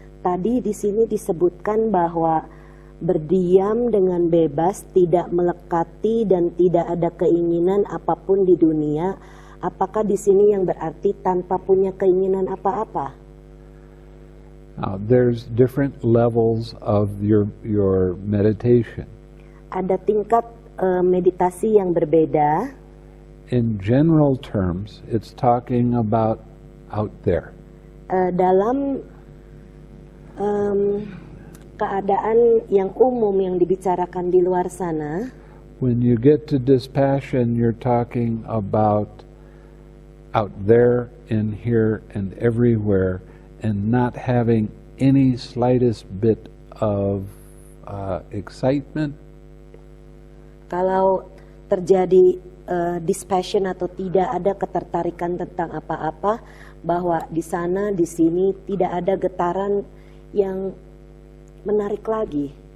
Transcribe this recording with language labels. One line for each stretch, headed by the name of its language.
Indonesian: Tadi di sini disebutkan bahwa berdiam dengan bebas, tidak melekati dan tidak ada keinginan apapun di dunia. Apakah di sini yang berarti tanpa punya keinginan apa-apa?
English: There's different levels of your meditation.
Indonesian: Ada tingkat meditasi yang berbeda.
English: In general terms, it's talking about out there.
Indonesian: Dalam keadaan yang umum yang dibicarakan di luar sana.
English: When you get to dispassion, you're talking about out there, in here, and everywhere, and not having any slightest bit of excitement.
Indonesian: Kalau terjadi dispassion atau tidak ada ketertarikan tentang apa-apa, bahwa di sana, di sini tidak ada getaran yang menarik lagi.